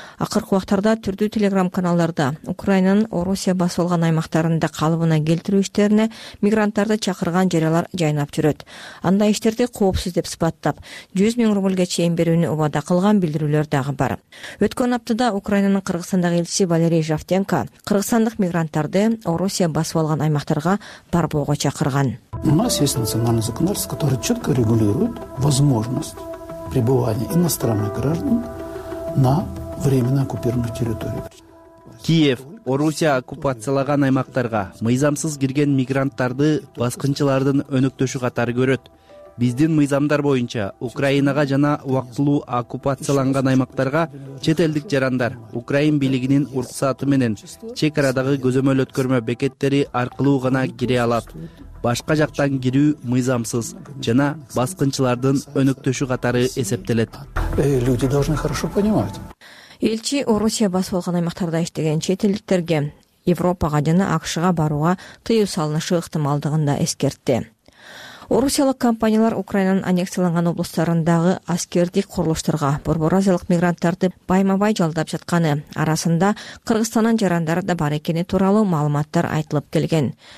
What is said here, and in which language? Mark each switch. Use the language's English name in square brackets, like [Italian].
[Kyrgyz] Акыркы убактарда түрдүү телеграм каналдарда Украинанын Орусия басып алган аймактарында калыбына келтирүү иштерине мигранттарды чакырган жарыялар жайнап жүрөт. Андай иштерди коопсуз деп сыпаттап, 100 000 рублга чейин берүүнү убада кылган билдирүүлөр дагы бар. Өткөн аптада Украинанын Кыргызстандагы элчиси Валерий Жавтенко кыргызстандык мигранттарды Орусия басып алган аймактарга барбоого чакырган. [Russian] У нас есть национальный законодательство, которое четко регулирует возможность пребывания иностранных граждан на временно оккупированных территориях. [Kyrgyz] Киев, Орусия оккупациялаган аймактарга мыйзамсыз кирген мигранттарды баскынчылардын өнөктөшү катары көрөт. Биздин мыйзамдар боюнча Украинага жана убактылуу оккупацияланган аймактарга чет элдик жарандар Украин бийлигинин уруксаты менен чек арадагы көзөмөл өткөрмө бекеттери аркылуу гана кире алат. Башка жактан кирүү мыйзамсыз жана баскынчылардын өнөктөшү катары эсептелет. [Russian] Люди должны хорошо понимать. [Kyrgyz] Элчи Орусия басып алган аймактарда иштеген чет элдиктерге Европага жана АКШга барууга тыюу салынышы ыктымалдыгын да эскертти. Орусиялык компаниялар Украинанын аннексияланган облустарындагы аскердик курулуштарга борбор азиялык мигранттарды байма-бай жалдап жатканы, арасында Кыргызстандан жарандары да бар экени тууралуу маалыматтар айтылып келген.